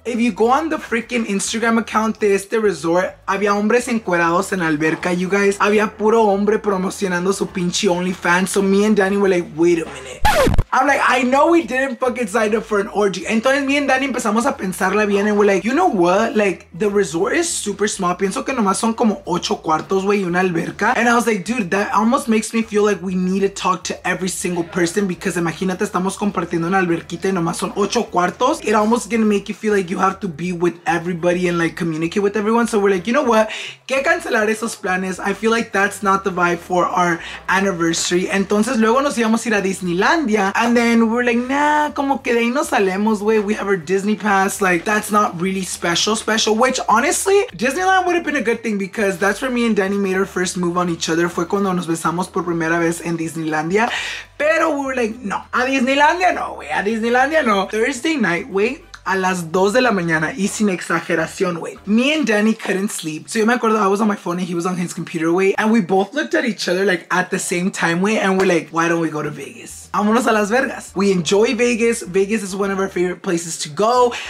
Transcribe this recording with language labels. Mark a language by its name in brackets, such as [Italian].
[English] If you go on the freaking Instagram account [Spanish] de este resort, había hombres encuerados en la alberca, [English] you guys. [Spanish] Había puro hombre promocionando su pinche OnlyFans. [English] So me and Danny were like, wait a minute. I'm like, I know we didn't fucking sign up for an orgy. Entonces, me and Danny [Spanish] empezamos a pensarla bien [English] and we're like, you know what? Like, the resort is super small. [Spanish] Pienso que nomás son como 8 cuartos, güey, y una alberca. [English] And I was like, dude, that almost makes me feel like we need to talk to every single person because [Spanish] imagínate, estamos compartiendo una alberquita y nomás son 8 cuartos. [English] It almost gonna make you feel like you have to be with everybody and, like, communicate with everyone. So we're like, you know what? [Spanish] ¿Qué cancelar esos planes? [English] I feel like that's not the vibe for our anniversary. [Spanish] Entonces, luego nos íbamos a ir a Disneylandia. [English] And then we're like, nah, [Spanish] como que de ahí no salemos, güey. [English] We have our Disney pass. Like, that's not really special. Which, honestly, Disneyland would have been a good thing because that's where me and Danny made our first move on each other. [Spanish] Fue cuando nos besamos por primera vez en Disneylandia. Pero [English] we were like, [Spanish] no. A Disneylandia no, güey. A Disneylandia no. [English] Thursday night, güey. [Spanish] A las 2 de la mañana y sin exageración, wey. [English] Me and Danny couldn't sleep. So [Spanish] yo me acuerdo, [English] I was on my phone and he was on his computer, wey. And we both looked at each other, like, at the same time, wey. And we're like, why don't we go to Vegas? [Spanish] Vámonos a Las Vegas. [English] We enjoy Vegas. Vegas is one of our favorite places to go.